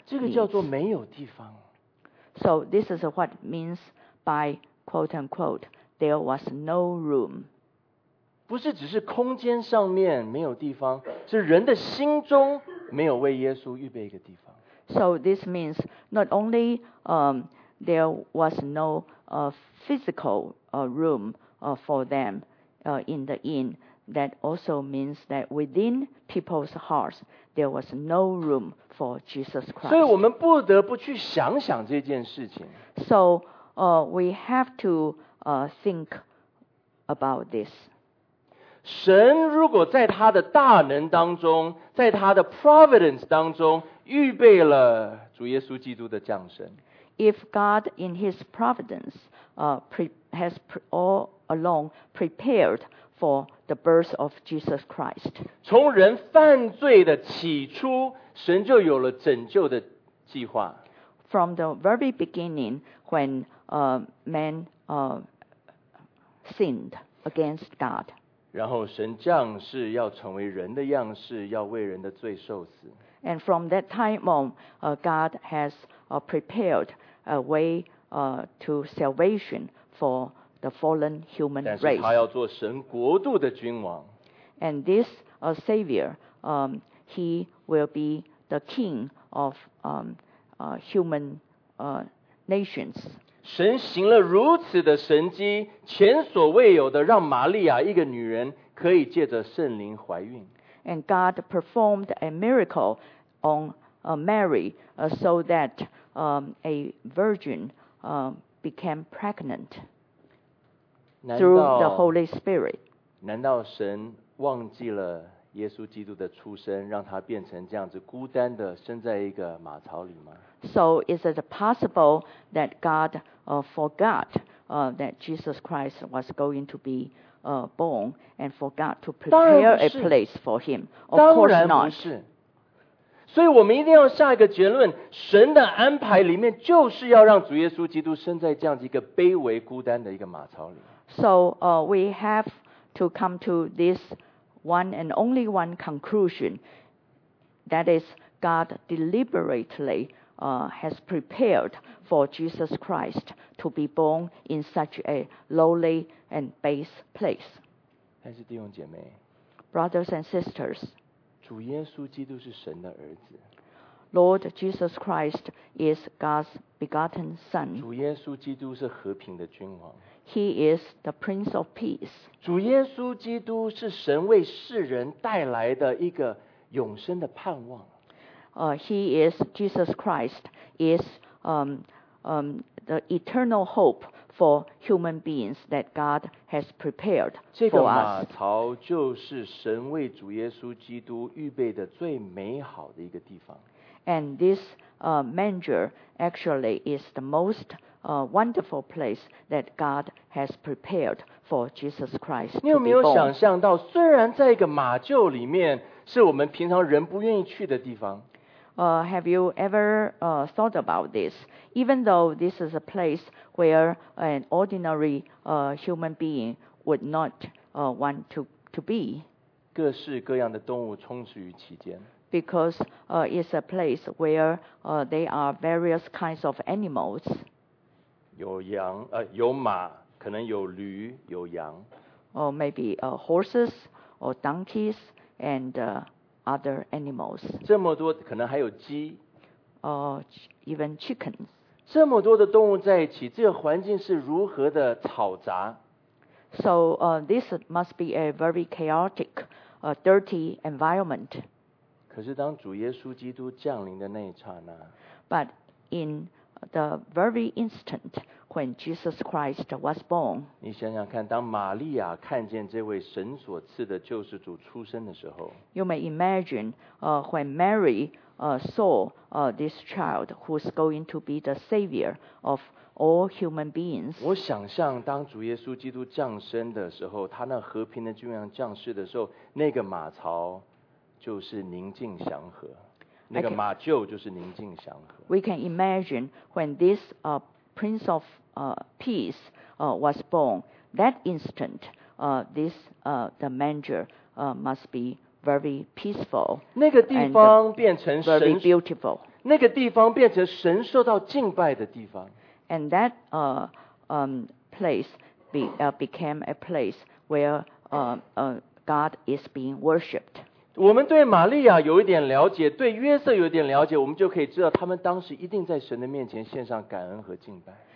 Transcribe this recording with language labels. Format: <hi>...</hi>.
<zh>这个叫做没有地方。</zh> <en>So this is what means by quote unquote there was no room.</en> <zh>不是只是空间上面没有地方，是人的心中没有为耶稣预备一个地方。</zh> <en>So this means not only there was no physical room for them in the inn, that also means that within people's hearts, there was no room for Jesus Christ.</en> <zh>所以我们不得不去想想这件事情。</zh> <en>So we have to think about this.</en> <zh>神如果在他的大能当中，在他的 providence 当中预备了主耶稣基督的降生。</zh> <en>If God in His providence has all along prepared for the birth of Jesus Christ.</en> <zh>从人犯罪的起初，神就有了拯救的计划。</zh> <en>From the very beginning, when man sinned against God.</en> <zh>然后神降世要成为人的样式，要为人的罪受死。</zh> <en>And from that time on, God has prepared a way to salvation for the fallen human race.</en> <zh>但是他要做神国度的君王。</zh> <en>And this Savior, he will be the king of human nations.</en> <zh>神行了如此的神迹，前所未有的，让玛利亚一个女人可以借着圣灵怀孕。</zh> <en>And God performed a miracle on Mary, so that a virgin became pregnant through the Holy Spirit.</en> <zh>难道神忘记了耶稣基督的出生，让他变成这样子孤单的生在一个马槽里吗？</zh> <en>So is it possible that God forgot that Jesus Christ was going to be born and forgot to prepare a place for him? Of course not.</en> <zh>所以我们一定要下一个结论，神的安排里面就是要让主耶稣基督生在这样一个卑微孤单的一个马槽里。</zh> <en>So we have to come to this one and only one conclusion. That is, God deliberately has prepared for Jesus Christ to be born in such a lowly and base place.</en> <zh>但是弟兄姐妹，</zh> <en>Brothers and sisters,</en> <zh>主耶稣基督是神的儿子。</zh> <en>Lord Jesus Christ is God's begotten Son.</en> <zh>主耶稣基督是和平的君王。</zh> <en>He is the Prince of Peace.</en> <zh>主耶稣基督是神为世人带来的一个永生的盼望。</zh> <en>Jesus Christ is the eternal hope for human beings that God has prepared for us.</en> <zh>这个马槽就是神为主耶稣基督预备的最美好的一个地方。</zh> <en>And this manger actually is the most wonderful place that God has prepared for Jesus Christ to be born.</en> <zh>你有没有想象到，虽然在一个马厩里面是我们平常人不愿意去的地方，</zh> <en>Have you ever thought about this? Even though this is a place where an ordinary human being would not want to be.</en> <zh>各式各样的动物充斥于其间。</zh> <en>Because it's a place where there are various kinds of animals.</en> <zh>有羊，有马，可能有驴，有羊。</zh> <en>Or maybe horses or donkeys and other animals.</en> <zh>这么多，可能还有鸡。</zh> <en>Even chickens.</en> <zh>这么多的动物在一起，这个环境是如何的嘈杂？</zh> <en>So this must be a very chaotic, dirty environment.</en> <zh>可是当主耶稣基督降临的那一刹那，</zh> <en>But in the very instant when Jesus Christ was born,</en> <zh>你想想看，当玛利亚看见这位神所赐的救世主出生的时候，</zh> <en>You may imagine when Mary saw this child who's going to be the savior of all human beings.</en> <zh>我想象当主耶稣基督降生的时候，他那和平的君王降世的时候，那个马槽就是宁静祥和，那个马厩就是宁静祥和。</zh> <en>We can imagine when this Prince of Peace was born. That instant, this the manger must be very peaceful.</en> <zh>那个地方变成神</zh> <en>very beautiful.</en> <zh>那个地方变成神受到敬拜的地方。</zh> <en>And that place became a place where God is being worshipped.</en> <zh>我们对玛利亚有一点了解，对约瑟有一点了解，我们就可以知道他们当时一定在神的面前献上感恩和敬拜。</zh>